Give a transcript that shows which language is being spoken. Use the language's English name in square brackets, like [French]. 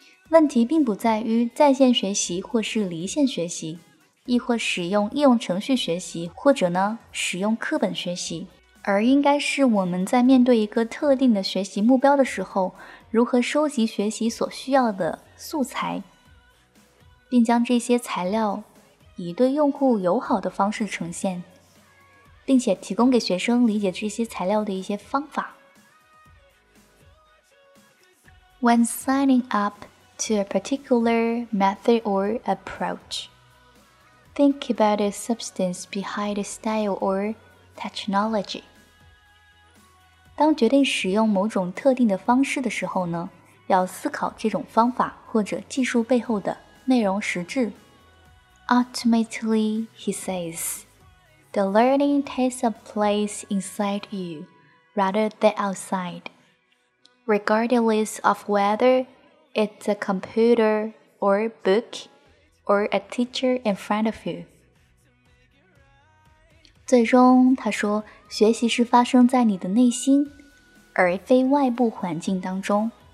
[Chinese] 问题并不在于在线学习或是离线学习，亦或使用应用程序学习，或者呢使用课本学习，而应该是我们在面对一个特定的学习目标的时候，如何收集学习所需要的素材，并将这些材料以对用户友好的方式呈现，并且提供给学生理解这些材料的一些方法。 [English] When signing up to a particular method or approach, think about the substance behind the style or technology. [Chinese] 当决定使用某种特定的方式的时候呢，要思考这种方法或者技术背后的内容实质。 [English] Ultimately, he says, the learning takes a place inside you rather than outside, regardless of whether it's a computer or a book or a teacher in front of you. [Chinese] 最终他说，学习是发生在你的内心，而非外部环境当中。